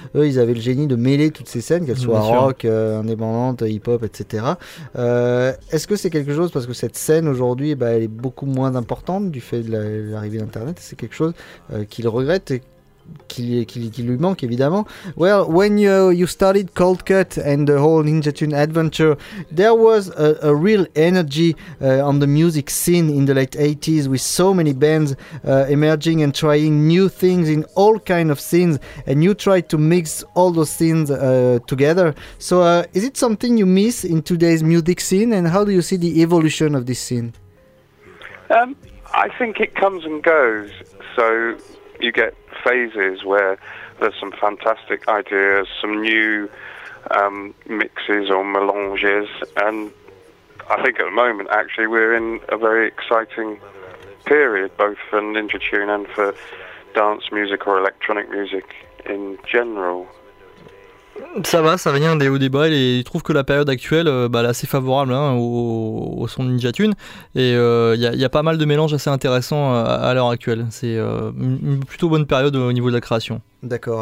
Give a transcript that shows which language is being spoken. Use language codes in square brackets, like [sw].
[fr] Eux, ils avaient le génie de mêler toutes ces scènes, qu'elles soient rock, indépendantes, hip-hop, etc. Est-ce que c'est quelque chose, parce que cette scène aujourd'hui, elle est beaucoup moins importante du fait de l'arrivée d'Internet, c'est quelque chose qu'ils regrettent et qui lui manque, évidemment. [en] Well, when you started Cold Cut and the whole Ninja Tune adventure, there was a real energy on the music scene in the late 80s with so many bands emerging and trying new things in all kind of scenes, and you tried to mix all those scenes together. So is it something you miss in today's music scene, and how do you see the evolution of this scene? I think it comes and goes. So you get phases where there's some fantastic ideas, some new mixes or melanges, and I think at the moment actually we're in a very exciting period, both for Ninja Tune and for dance music or electronic music in general. [fr] Ça va, ça vient des hauts des bas. Il trouve que la période actuelle, bah, elle est assez favorable hein, au son Ninja Tune. Et il y a pas mal de mélanges assez intéressants à l'heure actuelle. C'est une plutôt bonne période au niveau de la création. D'accord.